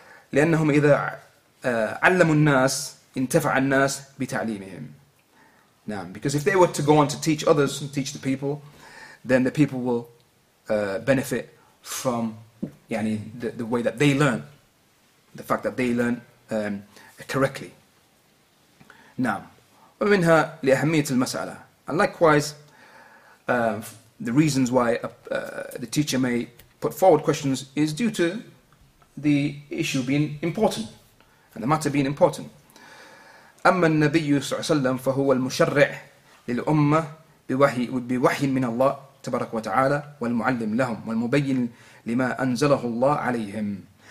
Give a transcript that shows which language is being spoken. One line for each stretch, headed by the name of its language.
Arabic: لأنهم إذا علموا الناس انتفع الناس بتعليمهم.
English: Now, because if they were to go on to teach others and teach the people, then the people will benefit from يعني the way that they learn, the fact that they learn correctly.
Arabic: Now, ومنها لأهمية المسألة.
English: And likewise, the reasons why the teacher may put forward questions is due to the issue being important and the matter being important.
Arabic: أما النبي صلى الله عليه وسلم فهو المشرع للأمة بوحي من الله تبارك وتعالى والمعلم لهم والمبين لما أنزله الله عليهم.